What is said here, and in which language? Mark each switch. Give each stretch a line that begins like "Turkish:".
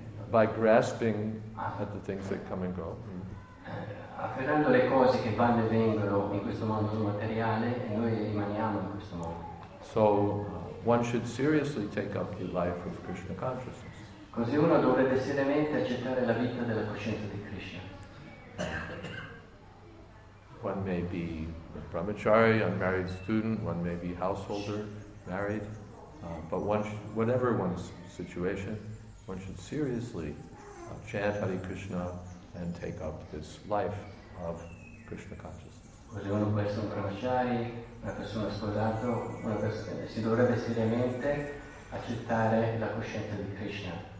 English: By grasping at the things that come and go.
Italian: Afferrando le cose che vanno e vengono in questo mondo materiale, noi rimaniamo in questo mondo.
English: So one should seriously take up the life of Krishna consciousness.
Italian: Così uno dovrebbe seriamente accettare la vita della coscienza di Krishna.
English: One may be a brahmachari, unmarried student, one may be householder, married, but one should, whatever one's situation, one should seriously chant Hare Krishna and take up this life of Krishna consciousness.